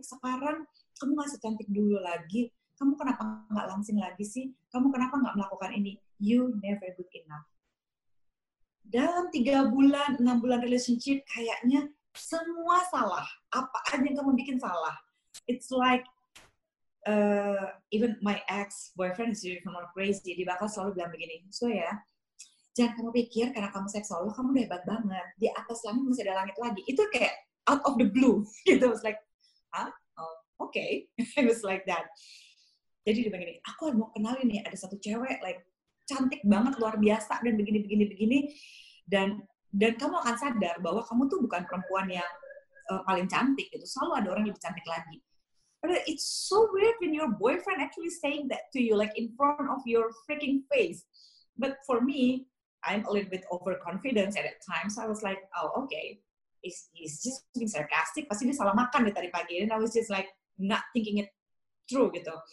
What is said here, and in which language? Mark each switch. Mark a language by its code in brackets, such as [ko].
[id] Sekarang kamu gak secantik dulu lagi. Kamu kenapa gak langsing lagi sih? Kamu kenapa gak melakukan ini? [en] You never good enough. [id] Dalam 3 bulan, 6 bulan relationship, kayaknya semua salah. Apa aja yang kamu bikin salah. [en] It's like, even my ex-boyfriend is even more crazy. [id] Dia bakal selalu bilang begini, so ya, jangan kamu pikir karena kamu seksual, kamu hebat banget. Di atas langit masih ada langit lagi. Itu kayak, [en] out of the blue. Gitu. I was like, huh? Oh, okay. It was like that. [id] Jadi dia begini, aku mau kenalin nih, ada satu cewek, like, cantik banget, luar biasa, dan begini, begini, begini. Dan kamu akan sadar bahwa kamu tuh bukan perempuan yang paling cantik, gitu. Selalu ada orang yang lebih cantik lagi. [en] But it's so weird when your boyfriend actually saying that to you, like, in front of your freaking face. But for me, I'm a little bit overconfident at that time, so I was like, oh, okay. He's just being sarcastic. [id] Pasti dia salah makan deh tadi pagi. [en] And I was just like, not thinking it true, gitu.